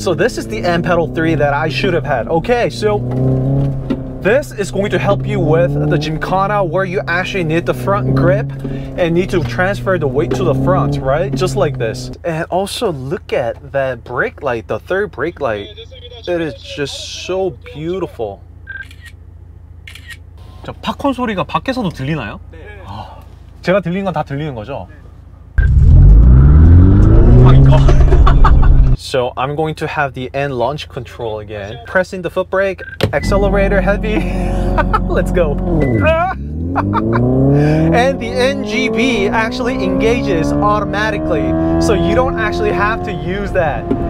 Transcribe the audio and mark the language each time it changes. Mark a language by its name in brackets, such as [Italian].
[English] So this is the N pedal 3 that I should have had. Okay, so this is going to help you with the Gymkhana, where you actually need the front grip and need to transfer the weight to the front, right? Just like this. And also look at that brake light, the third brake light. It is just so beautiful. [Korean] 저 팝콘 소리가 밖에서도 들리나요? 네. 제가 들리는 건 다 들리는 거죠? [English] 네. Oh my god. So I'm going to have the N launch control again. Pressing the foot brake, accelerator heavy. Let's go. And the NGB actually engages automatically, so you don't actually have to use that.